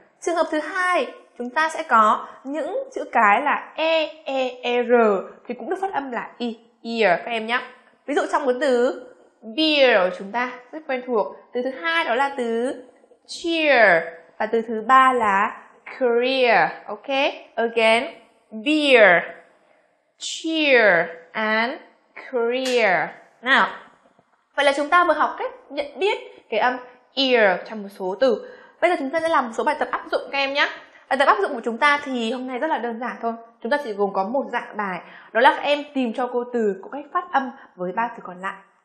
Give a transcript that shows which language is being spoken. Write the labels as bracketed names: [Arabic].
[Vietnamese] Trường hợp thứ hai, chúng ta sẽ có những chữ cái là E-E-E-R thì cũng được phát âm là I, ear các em nhá. Ví dụ trong cuốn từ beer của chúng ta rất quen thuộc. Từ thứ hai đó là từ cheer và từ thứ ba là career. [English] Ok, again, beer, cheer and career. [Vietnamese] Nào, vậy là chúng ta vừa học cách nhận biết cái âm ear trong một số từ. Bây giờ chúng ta sẽ làm một số bài tập áp dụng các em nhé. Bài tập áp dụng của chúng ta thì hôm nay rất là đơn giản thôi. Chúng ta chỉ gồm có một dạng bài, đó là các em tìm cho cô từ có cách phát âm với ba từ còn lại.